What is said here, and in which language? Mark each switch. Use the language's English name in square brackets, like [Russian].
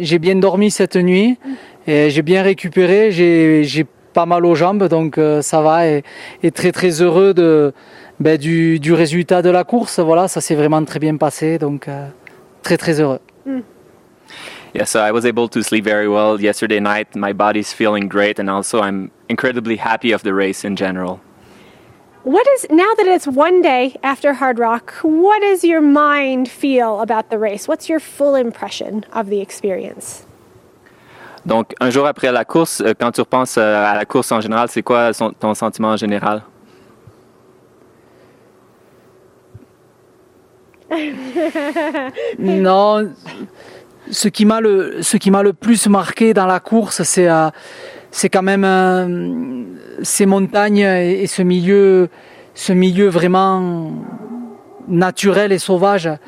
[French] J'ai bien dormi cette nuit et j'ai bien récupéré. J'ai pas mal aux jambes, donc ça va, et très très heureux de du résultat de la course. Voilà, ça s'est vraiment très bien passé, donc très très heureux. [English] Yeah, so I was able to sleep very well yesterday night. My body's feeling great, and also I'm incredibly happy of the race in general. What is, now that it's one day after Hard Rock, what does your mind feel about the race? What's your full impression of the experience? [French] Donc, un jour après la course, quand tu repenses à la course en général, c'est quoi ton sentiment en général? Non, ce qui m'a le plus marqué dans la course, c'est quand même ces montagnes et ce milieu vraiment naturel et sauvage.